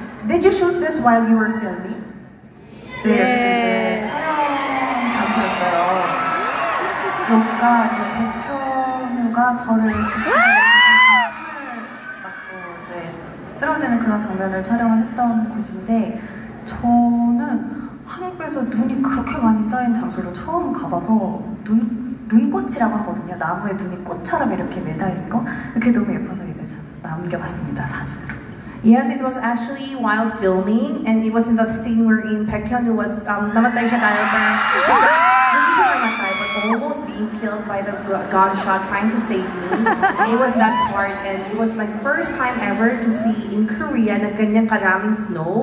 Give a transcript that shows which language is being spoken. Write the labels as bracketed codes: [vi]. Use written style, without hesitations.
[en] Did you shoot this while you were filming? Yes. Yeah. Yeah. [ko] 감사했어요. 누가 이제 백현우가 저를 맞고 이제 쓰러지는 그런 장면을 촬영을 했던 곳인데 저는 한국에서 눈이 그렇게 많이 쌓인 장소로 처음 가봐서 눈꽃이라고 하거든요. 나무에 눈이 꽃처럼 이렇게 매달린 거. 그게 너무 예뻐서 이제 남겨봤습니다, 사진으로. [en] Yes, it was actually while filming and it was in the scene where in Baek Hyun who was [ko] 남았다이 샤가요 [en] almost being killed by the gunshot trying to save me. It was that part and it was my first time ever to see in Korea [tl] na ganyan karaming [en] snow.